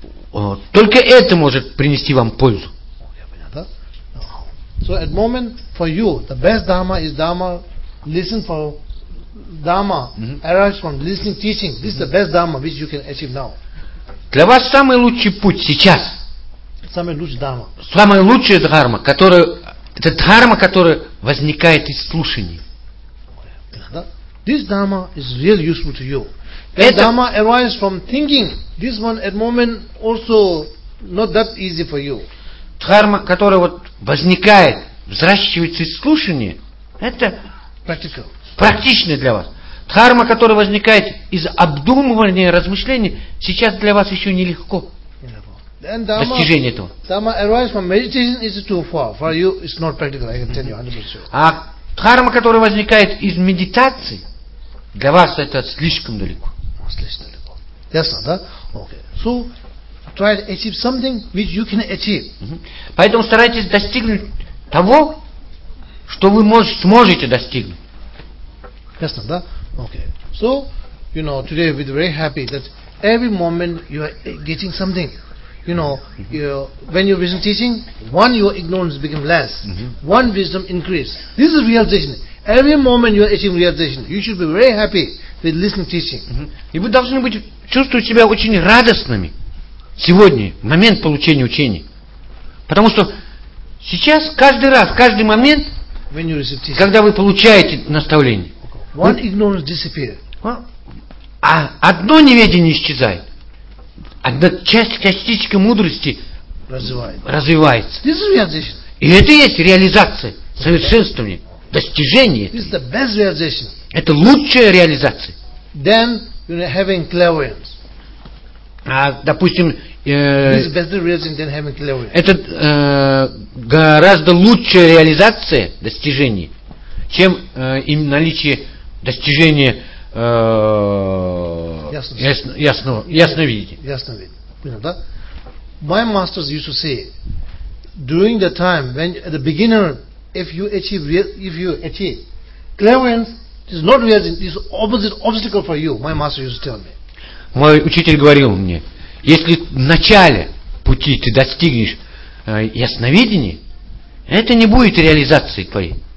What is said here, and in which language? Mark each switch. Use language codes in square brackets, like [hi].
[ru] Только это может принести вам пользу. [en] So at moment for you, the best dharma is dharma listen for Dharma mm-hmm. arises from listening, teaching. This mm-hmm. is the best Dharma which you can achieve now. [ru] Для вас самый лучший путь сейчас. Самый лучший Дхарма. Самая лучшая Дхарма, которая... Это Дхарма, которая возникает из слушаний. [en] This Dharma is really useful to you. This Dharma arises from thinking. This one at moment also not that easy for you. [ru] Дхарма, которая вот возникает, взращивается из слушания, это... [en] Practical. [ru] Практичный для вас. Дхарма, которая возникает из обдумывания, размышлений, сейчас для вас еще нелегко. Достижение этого. [en] Dharma arises from meditation is too far. For you, it's not practical. I can tell you 100%. [ru] А дхарма, которая возникает из медитации, для вас это слишком далеко. Слишком далеко. Ясно, да? Okay. [en] So, try to achieve something which you can achieve. [ru] Поэтому старайтесь достигнуть того, что вы сможете достигнуть. Ясно, да? Okay. [en] So, you know, today we're very happy that every moment you are getting something. You know, mm-hmm. you, when you listen teaching, one your ignorance become less, mm-hmm. one wisdom increase. This is realization. Every moment you are achieving realization, you should be very happy with listening teaching. [ru] Mm-hmm. И вы должны быть чувствовать себя очень радостными сегодня, в момент получения учения, потому что сейчас каждый раз, каждый момент, [en] when you receive teaching, [ru] когда вы получаете наставление. One ignorance disappears. А одно неведение исчезает. Одна частичка мудрости развивается. [en] This is realization. [ru] И это есть реализация, совершенствование, достижение. [en] This is the best realization. [ru] Это лучшая реализация. [en] Then you know having clairvoyance. [ru] А допустим. [en] This is better realization than having clairvoyance. [ru] Это гораздо лучшая реализация достижений, чем им наличие достижение ясновидения. Ясновидения. [en] My masters used to say, during the time when at the beginner, if you achieve real, if you achieve clairvoyance, it is not real, it is opposite obstacle for you. My master used to tell me. [ru] Мой учитель говорил мне, если в начале пути ты достигнешь ясновидения, это не будет реализацией твоей.